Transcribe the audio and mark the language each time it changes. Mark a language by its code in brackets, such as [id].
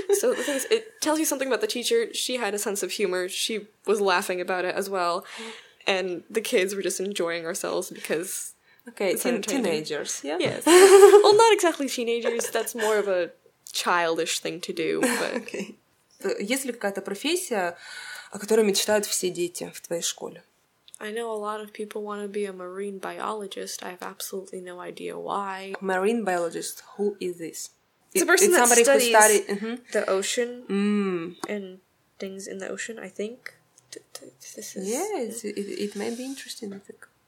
[en] So the thing is, it tells you something about the teacher. She had a sense of humor. She was laughing about it as well. And the kids were just enjoying ourselves because... Okay, teenagers, yeah? Yes. Well, not exactly teenagers. That's more of a childish thing to do, but... Okay. [ru] Есть ли какая-то профессия, о которой мечтают все дети в твоей школе? [en] I know a lot of people want to be a marine biologist. I have absolutely no idea why. Marine biologist, who is this? It's a person it's that somebody studies who studied, mm-hmm. the ocean mm. and things in the ocean, I think. This is, yeah, it may be interesting, I think.